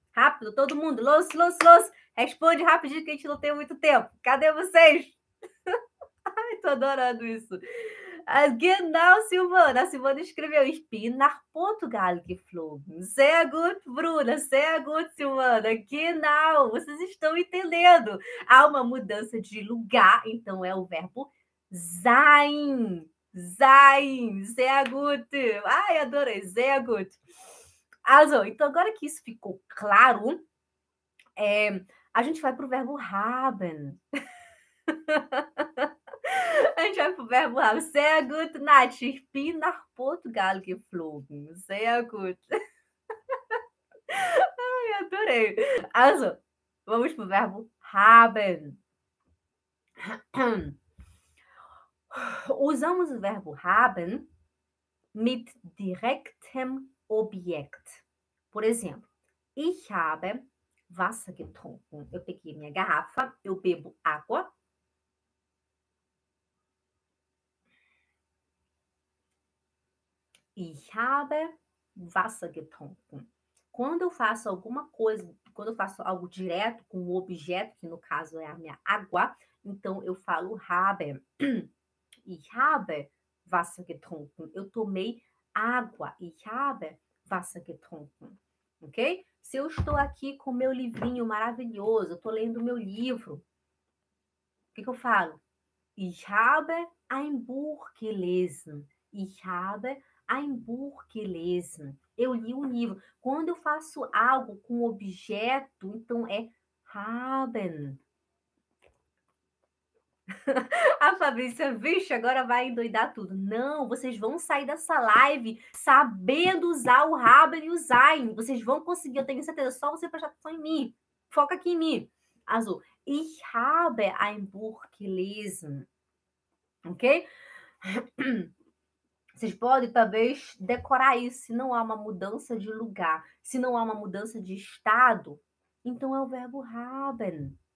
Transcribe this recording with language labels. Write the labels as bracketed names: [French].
[Portuguese] Rápido, todo mundo! [German] Los, los, los! [Portuguese] Responde rapidinho que a gente não tem muito tempo. Cadê vocês? Tô adorando isso. Genau, Silvana. A Silvana escreveu. [German] Ich bin nach Portugal geflogen. Sehr gut, Bruna. Sehr gut, Silvana. Genau. [Portuguese] Vocês estão entendendo. Há uma mudança de lugar. Então, é o verbo sein. [German] Sein. Sehr gut. [Portuguese] Ai, adorei. [German] Sehr gut. [Portuguese] Also, então, agora que isso ficou claro, a gente vai para o verbo haben. A gente vai pro verbo haben. [German] Sehr gut, Nath. Ich bin nach Portugal geflogen. Sehr gut. [Portuguese] Ai, adorei. Also, vamos pro verbo haben. Usamos o verbo haben [German] mit direktem Objekt. [Portuguese] Por exemplo, [German] ich habe Wasser getrunken. [Portuguese] Eu peguei minha garrafa, eu bebo água. [German] Ich habe Wasser getrunken. [Portuguese] Quando eu faço alguma coisa, quando eu faço algo direto com o objeto, que no caso é a minha água, então eu falo haben. [German] Ich habe Wasser getrunken. [Portuguese] Eu tomei água. [German] Ich habe Wasser getrunken. [Portuguese] Ok? Se eu estou aqui com meu livrinho maravilhoso, eu estou lendo meu livro, o que, que eu falo? [German] Ich habe ein Buch gelesen. Ich habe ein Buch gelesen. [Portuguese] Eu li um livro. Quando eu faço algo com objeto, então é haben. A Fabrícia, vixe, agora vai endoidar tudo. Não, vocês vão sair dessa live sabendo usar o haben e o sein. Vocês vão conseguir, eu tenho certeza. Só você prestar atenção em mim. Foca aqui em mim. Azul. [German] Ich habe ein Buch gelesen. [Portuguese] Ok? Vocês podem, talvez, decorar isso. Se não há uma mudança de lugar, se não há uma mudança de estado, então é o verbo haben.